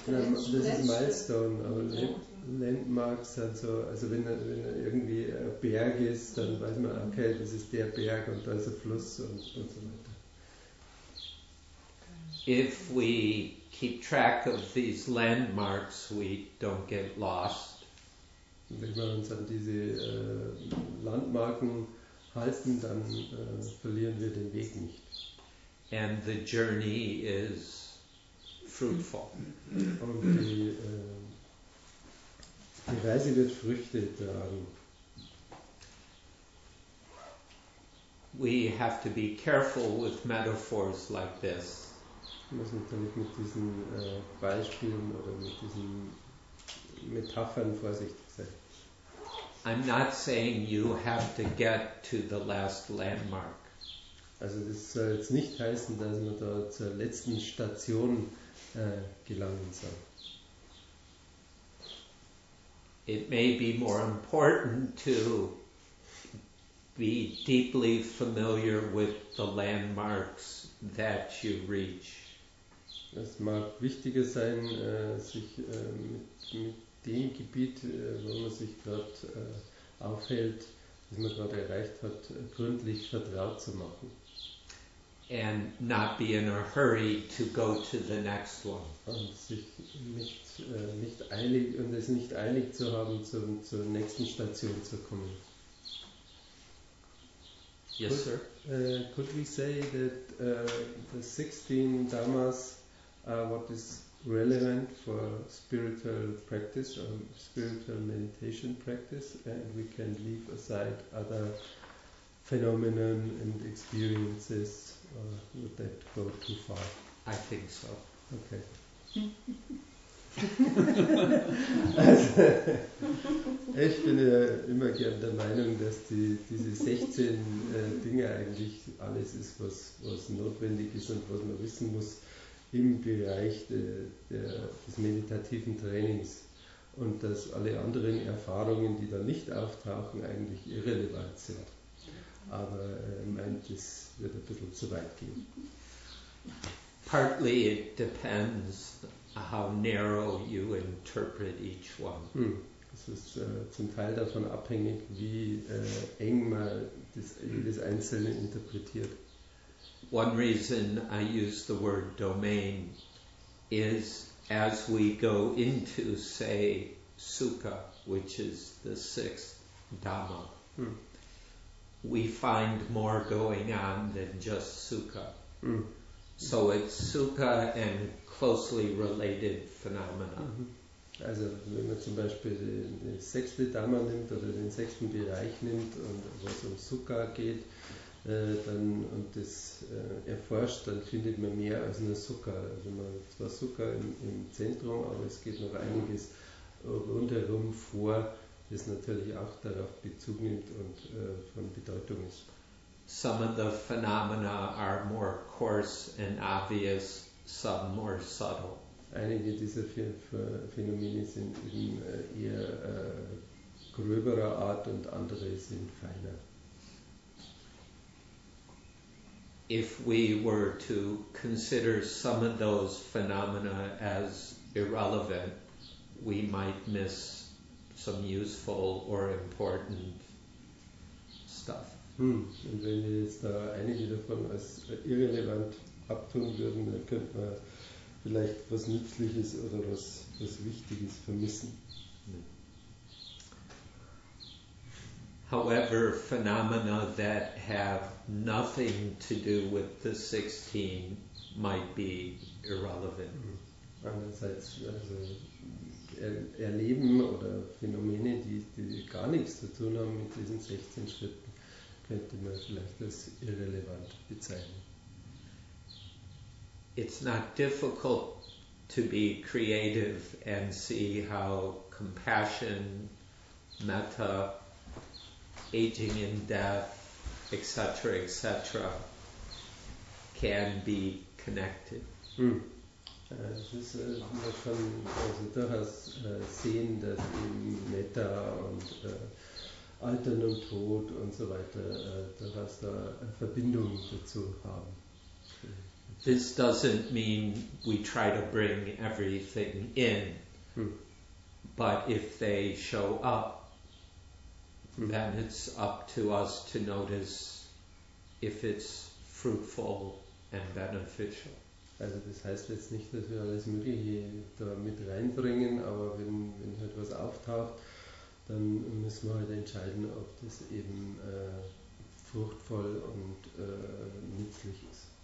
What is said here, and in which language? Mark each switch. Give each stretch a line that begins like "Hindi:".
German: Na, das ist Milestone, aber Landmarks sind so, also wenn er irgendwie ein Berg ist, dann weiß man, okay, das ist der Berg und da ist ein Fluss und so weiter.
English: If we keep track of these landmarks, we don't get lost.
German: Wenn wir uns an diese Landmarken halten, dann verlieren wir den Weg nicht.
English: And the journey is fruitful.
German: Und die Reise wird Früchte tragen.
English: We have to be careful with metaphors like this.
German: Wir müssen natürlich mit diesen Beispielen oder mit diesen Metaphern vorsichtig sein.
English: I'm not saying you have to get to the last landmark.
German: Also das soll jetzt nicht heißen, dass man da zur letzten Station gelangen soll.
English: It may be more important to be deeply familiar with the landmarks that you reach.
German: Es mag wichtiger sein, sich mit dem Gebiet, wo man sich gerade aufhält, das man gerade erreicht hat, gründlich vertraut zu machen.
English: And not be in a hurry to go to the next one.
German: Und sich nicht eilig, und es nicht eilig zu haben, zur nächsten Station zu kommen.
English: Yes, could, sir. Could we say that the 16 dhammas are what is relevant for spiritual practice or spiritual meditation practice, and we can leave aside other phenomena and experiences? Would that go too far? I think so. Okay.
German: Ich bin ja immer gern der Meinung, dass diese 16 Dinge eigentlich alles ist, was notwendig ist und was man wissen muss im Bereich des meditativen Trainings, und dass alle anderen Erfahrungen, die da nicht auftauchen, eigentlich irrelevant sind. Aber meint, es wird ein bisschen zu weit gehen.
English: Partly it depends how narrow you interpret each one.
German: Es ist zum Teil davon abhängig, wie eng man jedes Einzelne interpretiert.
English: One reason I use the word domain is as we go into, say, Sukha, which is the sixth Dhamma, we find more going on than just Sukha. So it's Sukha and closely related phenomena.
German: Also wenn man zum Beispiel den sechste Dhamma nimmt oder den sechsten Bereich nimmt und was um Sukha geht, dann und das erforscht, dann findet man mehr als nur Sukha. Also man hat zwar Sukha im Zentrum, aber es geht noch einiges rundherum vor, das natürlich auch darauf Bezug nimmt und von Bedeutung ist.
English: Some of the phenomena are more coarse and obvious, some more subtle.
German: Einige dieser Phänomene sind eben eher gröberer Art und andere sind feiner.
English: If we were to consider some of those phenomena as irrelevant, we might miss some useful or important stuff.
German: Und wenn wir jetzt da einige davon als irrelevant abtun würden, dann könnte man vielleicht was Nützliches oder was Wichtiges vermissen.
English: However, phenomena that have nothing to do with the 16 might be irrelevant.
German: Andererseits, also Erleben oder Phänomene, die gar nichts zu tun haben mit diesen 16 Schritten, könnte man vielleicht als irrelevant bezeichnen.
English: It's not difficult to be creative and see how compassion, metta, aging and death, etc., etc., can be connected. Mm.
German: Man kann also durchaus sehen, dass Metta und Altern und Tod und so weiter durchaus da eine Verbindung dazu haben.
English: This doesn't mean we try to bring everything in, but if they show up, then it's up to us to notice if it's fruitful and beneficial.
German: Also das heißt jetzt nicht, dass wir alles Mögliche da mit reinbringen, aber wenn halt was auftaucht, dann müssen wir halt entscheiden, ob das eben fruchtvoll und nützlich ist.